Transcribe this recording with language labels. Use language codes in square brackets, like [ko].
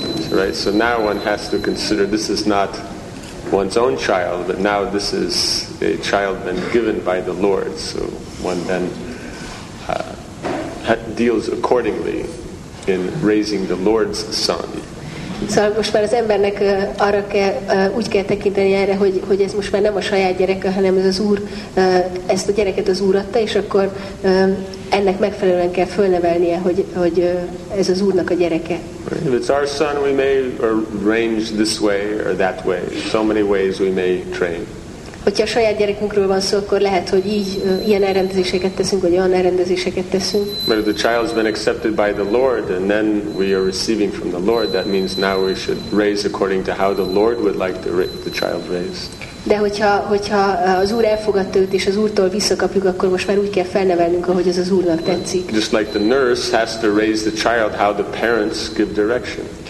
[en] Right, so now one has to consider this is not one's own child, but now this is a child then given by the Lord. So one then deals accordingly in raising the Lord's son. [hu] Szóval most már az embernek arra kell, úgy kell tekinteni erre, hogy ez most már nem a saját gyereke, hanem ez az Úr, ezt a gyereket az Úr adta, és akkor ennek megfelelően kell fölnevelnie, hogy ez az Úrnak a gyereke. [en] If it's our son, we may arrange this way or that way. So many ways we may train. [hu] Hogyha a saját gyerekünkről van szó, akkor lehet, hogy így ilyen elrendezéseket teszünk, vagy olyan elrendezéseket teszünk. [en] But if the child's been accepted by the Lord, and then we are receiving from the Lord, that means now we should raise according to how the Lord would like the child raised. [hu] De hogyha az Úr elfogadta őt, és az Úrtól visszakapjuk, akkor most már úgy kell felnevelnünk, ahogy ez az Úrnak tetszik. [en] Just like the nurse has to raise the child how the parents give direction.